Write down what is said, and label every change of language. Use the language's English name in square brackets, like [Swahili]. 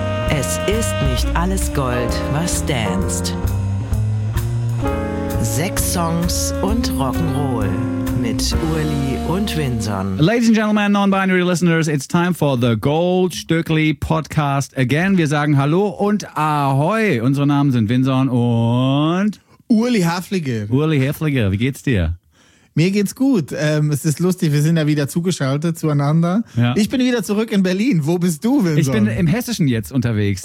[German] Es ist nicht alles Gold, was danst. Sechs Songs und Rock'n'Roll mit Uli und Vinson. [English] Ladies and gentlemen, non-binary listeners, it's time for the Goldstückli Podcast again. [German] Wir sagen Hallo und Ahoi. Unsere Namen sind Vinson und Uli Haflige. Uli Haflige, wie geht's dir? Mir geht's gut. Es ist lustig, wir sind ja wieder zugeschaltet zueinander. Ja. Ich bin wieder zurück in Berlin. Wo bist du, Vinson? Ich bin im Hessischen jetzt unterwegs.